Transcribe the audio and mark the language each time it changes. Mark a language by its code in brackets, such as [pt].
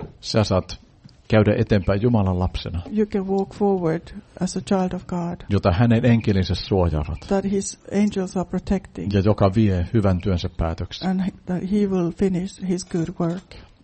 [fi] Sä saat käydä eteenpäin Jumalan lapsena. [en] You can walk forward as a child of God. [fi] Jota hänen enkelinsä suojaavat. [en] That his angels are protecting. [fi] Ja joka vie hyvän työnsä päätöksen. [en] And that he will finish his good work.